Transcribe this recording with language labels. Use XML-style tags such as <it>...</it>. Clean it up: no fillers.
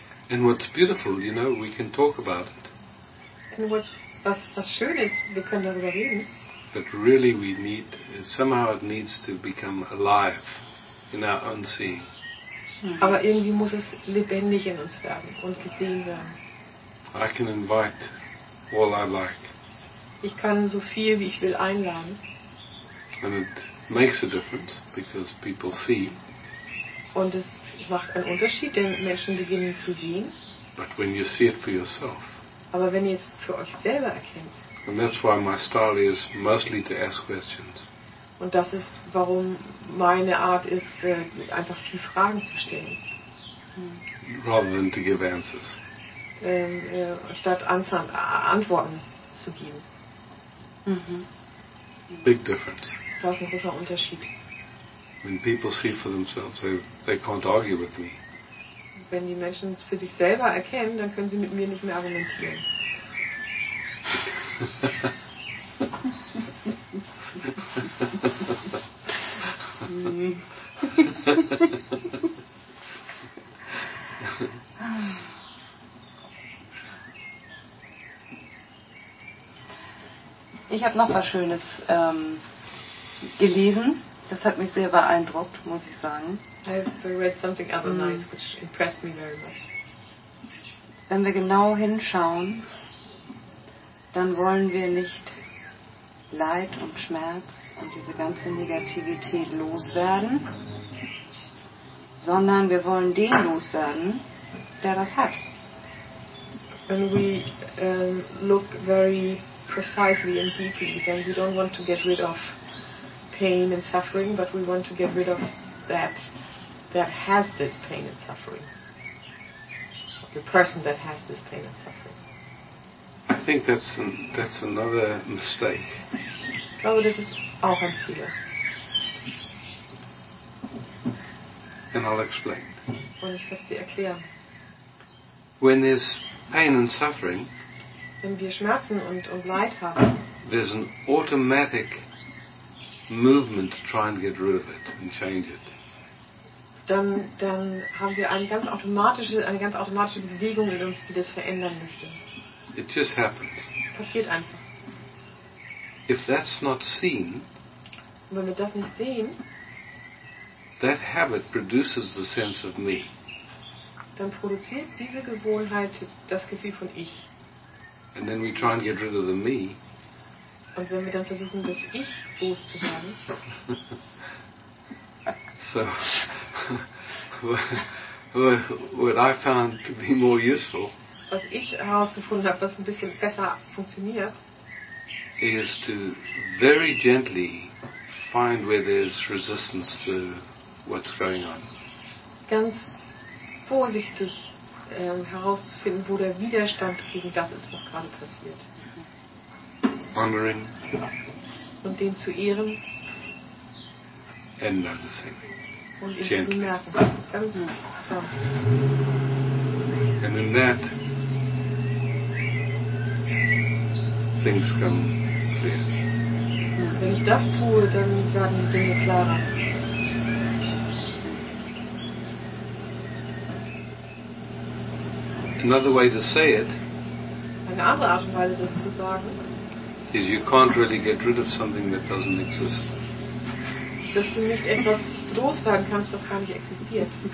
<en>And what's beautiful, you know, we can talk about it.</en> <de>And was schön ist, wir können darüber reden.</de> <en>But really we need, somehow it needs to become alive in our own seeing. Mm-hmm.</en> <de>Aber irgendwie muss es lebendig in uns werden und gesehen werden.</de> <en>I can invite all I like.</en> <de>Ich kann so viel, wie ich will, einladen.</de> <en>And it makes a difference, because people see.</en> <de>Und es macht einen Unterschied, denn Menschen beginnen zu sehen.</de> <en>But when you see it for yourself.</en> <de>Aber wenn ihr es für euch selber erkennt.</de> <en>And that's why my style is mostly to ask questions.</en> <de>Und das ist, warum meine Art ist, einfach viel Fragen zu stellen.</de> <en>Rather than to give answers.</en> <de>Statt Antworten zu geben.</de> <en>Mhm. Big difference.</en> <de>Das ist ein großer Unterschied.</de> <en>When people see for themselves, they can't argue with me.</en> <de>Wenn die Menschen es für sich selber erkennen, dann können sie mit mir nicht mehr argumentieren. Ich habe noch was Schönes gelesen. Das hat mich sehr beeindruckt, muss ich sagen.</de> <en>I've read something other nice, which impressed me very much.</en> <de>Wenn wir genau hinschauen, dann wollen wir nicht Leid und Schmerz und diese ganze Negativität loswerden, sondern wir wollen den loswerden, der das hat.</de> <en>When we look very precisely and deeply, then we don't want to get rid of pain and suffering, but we want to get rid of that has this pain and suffering. The person that has this pain and suffering. I think that's another mistake. Oh, this is</en> <de>auch ein Fehler.</de> <en>And I'll explain.</en> <de>Und ich werde dir erklären.</de> <en>When there's pain and suffering,</en> <de>wenn wir Schmerzen und Leid haben,</de> <en>there's an automatic movement to try and get rid of it and change it.</en> <de>Dann haben wir eine ganz automatische Bewegung in uns, die das verändern möchte.</de> <en>It just happens.</en> <de>Passiert einfach.</de> <en>If that's not seen,</en> <de>wenn wir das nicht sehen,</de> <en>that habit produces the sense of me.</en> <de>Dann produziert diese Gewohnheit das Gefühl von ich.</de> <en>And then we try and get rid of the me.</en> <de>Und wenn wir dann versuchen, das ich loszuwerden.</de> <en>So, What I found to be more useful,</en> <de>was ich herausgefunden habe, was ein bisschen besser funktioniert,</de> <en>is to very gently find where there's resistance to what's going on.</en> <de>Ganz vorsichtig herauszufinden, wo der Widerstand gegen das ist, was gerade passiert.</de> <en>Honoring.</en> <de>Und den zu ehren.</de> <en>And noticing.</en> <de>Und ihn gently. Zu bemerken. Ganz sanft.</de> <en>And in that, things come clear.</en> <de>Wenn ich das tue, dann werden die Dinge klarer.</de> <en>Another way to say it,</en> <de>eine andere Art und Weise, das zu sagen,</de> <en>is you can't really get rid of something that doesn't exist.</en> <de>Dass du nicht etwas loswerden kannst, was gar nicht existiert.</de>